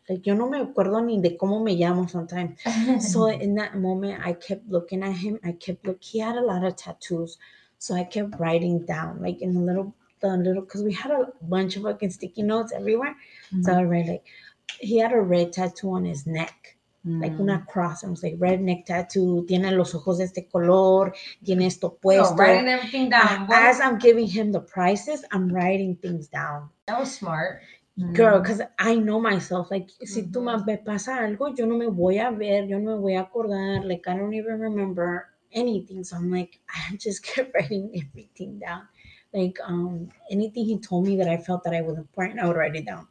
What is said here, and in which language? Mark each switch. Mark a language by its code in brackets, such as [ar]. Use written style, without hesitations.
[es] Like, yo no me acuerdo ni de cómo me llamo [en] sometimes. So in that moment, I kept looking at him. He had a lot of tattoos. So I kept writing down, like in the little, because we had a bunch of fucking sticky notes everywhere. Mm-hmm. So I read, like, he had a red tattoo on his neck, mm-hmm. like [es] una [en] cross. I was like, red neck tattoo, [es] tiene los ojos de este color, tiene esto puesto. [en] No, writing everything down. As I'm giving him the prices, I'm writing things down. That was smart. Girl, because I know myself, like, mm-hmm. [es] si tú me pasa algo, yo no me voy a ver, yo no me voy a acordar, [en] like, I don't even remember anything. So I'm like, I just kept writing everything down. Like, anything he told me that I felt that I was important, I would write it down.